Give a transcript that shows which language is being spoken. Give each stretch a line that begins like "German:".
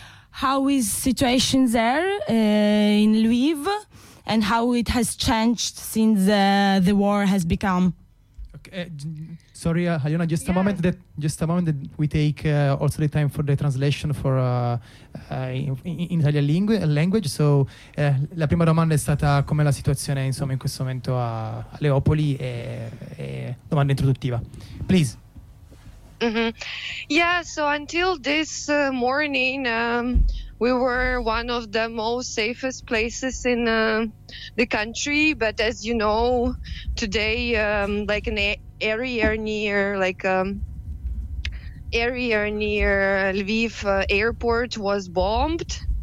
English: How is situation there in Lviv? And how it has changed since the war has become. Okay, sorry, Aliona, just a moment. That we take also the time for the translation for in Italian language.
Italian: So, la prima domanda è stata come la situazione, insomma, in questo momento a Leopoli, e domanda introduttiva, please.
English: Mm-hmm. Yeah. So until this morning. We were one of the most safest places in the country, but as you know, today, like an area near Lviv airport was bombed.